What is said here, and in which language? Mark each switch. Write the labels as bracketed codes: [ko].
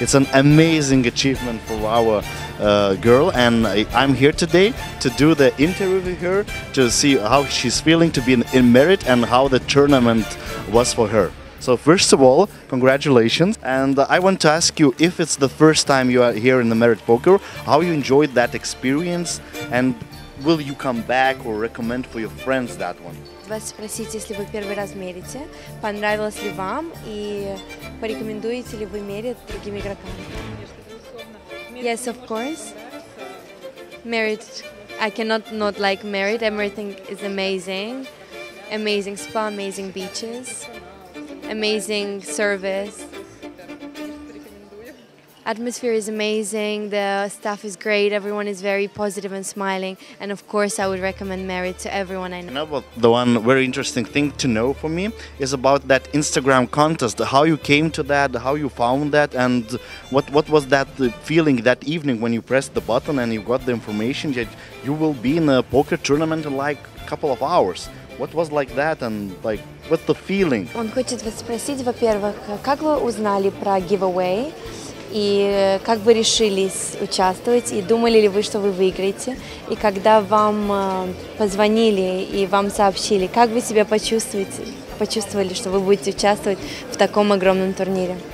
[en] It's an amazing achievement for our girl, and I'm here today to do the interview with her, to see how she's feeling to be in merit and how the tournament was for her. So first of all, congratulations, and I want to ask you, if it's the first time you are here in the Merit Poker, how you enjoyed that experience, and will you come back or recommend for your friends that one? [ru] Вас спросить, если вы первый раз мерите, понравилось ли вам и порекомендуете ли вы мерить другим игрокам? [en] Yes, of course. Merit, I cannot not like Merit. Everything is amazing. Amazing spa, amazing beaches. Amazing service. Atmosphere is amazing, the staff is great, everyone is very positive and smiling, and of course I would recommend Merit to everyone I know. But the one very interesting thing to know for me is about that Instagram contest, how you came to that, how you found that, and what was that feeling that evening when you pressed the button and you got the information that you will be in a poker tournament in like a couple of hours. What was like that and like what's the feeling? [ru] Он хочет вас спросить, во-первых, как вы узнали про giveaway и как вы решились участвовать и думали ли вы, что вы выиграете? И когда вам позвонили и вам сообщили, как вы себя почувствовали, что вы будете участвовать в таком огромном турнире?